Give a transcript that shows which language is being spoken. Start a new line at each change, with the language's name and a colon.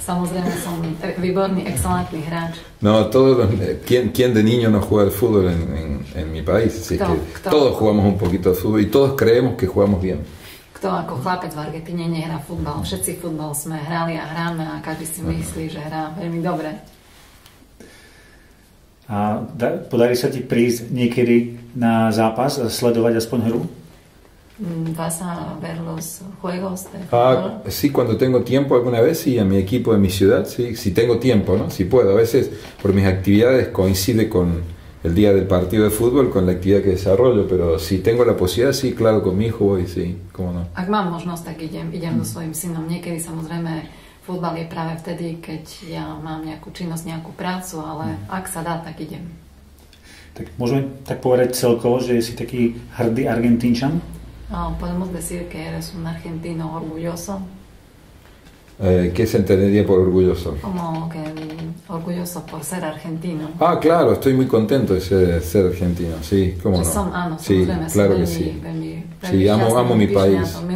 Slovak: Samozrejme, som výborný, excelentný hráč.
Spanish: No, ¿quién de niño no juega al fútbol en mi país?
Slovak: Kto? Kto?
Spanish: Todos jugamos un poquito al fútbol y todos creemos que jugamos bien.
Slovak: To ako chlapec v Argentíne nehrá futbal. Všetci futbal sme hrali a hráme a každý si myslí, že hrá veľmi dobre. A podarí sa ti prísť niekedy na zápas a sledovať aspoň hru?
Spanish: ¿Vas a ver los juegos de fútbol? Ah, sí, cuando tengo tiempo alguna vez, sí, a mi equipo de mi ciudad, sí, si tengo tiempo, ¿no? Si puedo. A veces por mis actividades coincide con el día del partido de fútbol con la actividad que desarrollo, pero si tengo la posibilidad, sí, claro, con mi hijo voy, sí, cómo no.
Slovak: Ak mám možnosť, tak idem so svojim synom. Niekedy, samozrejme, futbal je práve vtedy, keď ja mám nejakú činnosť, nejakú prácu, ale ak sa dá, tak idem. Tak môžeme tak povedať celkovo, že si taký hrdý Argentínčan?
Spanish: Podemos decir que eres un argentino orgulloso. ¿Qué se entendería por orgulloso? Como que orgulloso por ser argentino. Ah, claro, estoy muy contento de ser argentino, sí, cómo no. Sí, claro que sí. Sí, amo mi país.